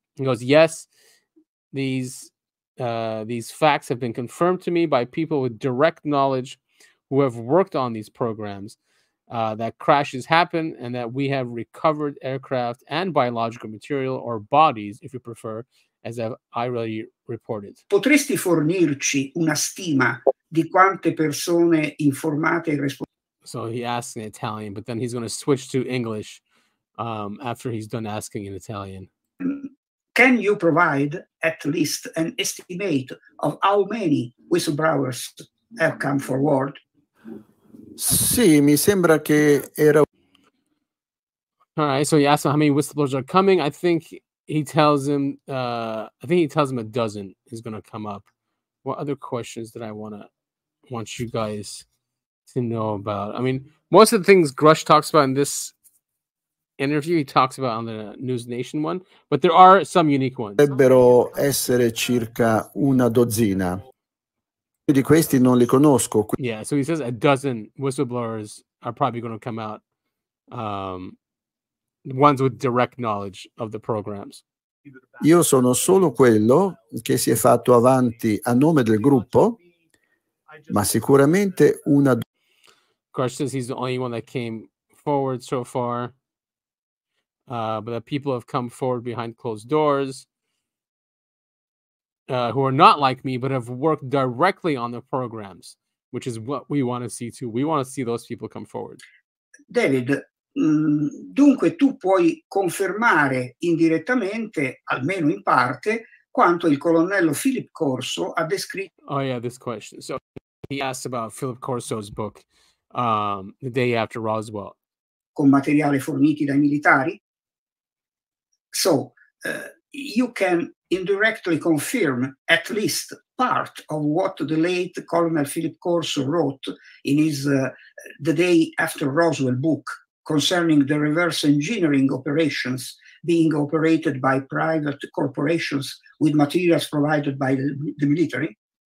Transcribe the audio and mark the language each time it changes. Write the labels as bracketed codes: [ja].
[en] He goes, yes, these facts have been confirmed to me by people with direct knowledge who have worked on these programs, that crashes happen and that we have recovered aircraft and biological material, or bodies, if you prefer, as I've already reported. [it] Potresti fornirci una stima di quante persone informate e responsabili? [en] So he asks in Italian, but then he's going to switch to English. After he's done asking in Italian. Can you provide at least an estimate of how many whistleblowers have come forward? [it] Sì, mi sembra che era... [en] All right, so he asked him how many whistleblowers are coming. I think he tells him, a dozen is going to come up. What other questions that I want you guys to know about? I mean, most of the things Grush talks about in this interview he talks about on the News Nation one, but there are some unique ones. [it] Dovrebbero essere circa una dozzina. Di questi non li conosco. [en] Yeah, so he says a dozen whistleblowers are probably going to come out, ones with direct knowledge of the programs. [it] Io sono solo quello che si è fatto avanti a nome del gruppo, ma sicuramente una. [en] Grush says he's the only one that came forward so far. But that people have come forward behind closed doors who are not like me, but have worked directly on the programs, which is what we want to see too. We want to see those people come forward. [it] David, dunque tu puoi confermare indirettamente, almeno in parte, quanto il colonnello Philip Corso ha descritto. [en] Oh yeah, this question. So he asked about Philip Corso's book, The Day After Roswell. [it] Con materiale forniti dai militari. [en] So, you can indirectly confirm at least part of what the late Colonel Philip Corso wrote in his The Day After Roswell book concerning the reverse engineering operations being operated by private corporations with materials provided by the military.